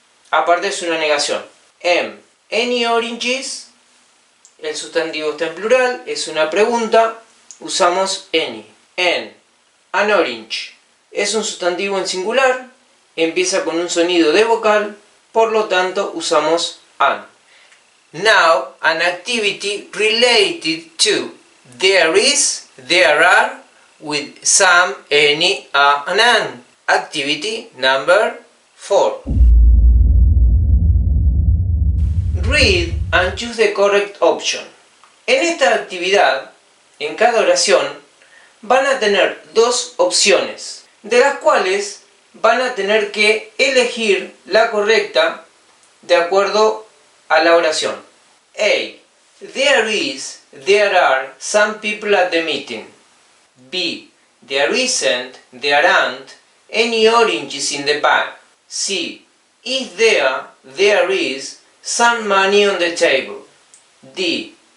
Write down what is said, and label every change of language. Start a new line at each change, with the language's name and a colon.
Spanish: Aparte es una negación. M,
English: any oranges.
Spanish: El sustantivo está en plural, es una pregunta, usamos any.
English: N, an orange.
Spanish: Es un sustantivo en singular, empieza con un sonido de vocal, por lo tanto usamos an.
English: Now, an activity related to there is, there are, with some, any, a, and an. Activity number 4. Read and choose the correct option.
Spanish: En esta actividad, en cada oración, van a tener dos opciones, de las cuales van a tener que elegir la correcta de acuerdo a la oración.
English: A. There is, there are some people at the meeting. B. There isn't, there aren't any oranges in the bag. C. Is there, there is some money on the table. D.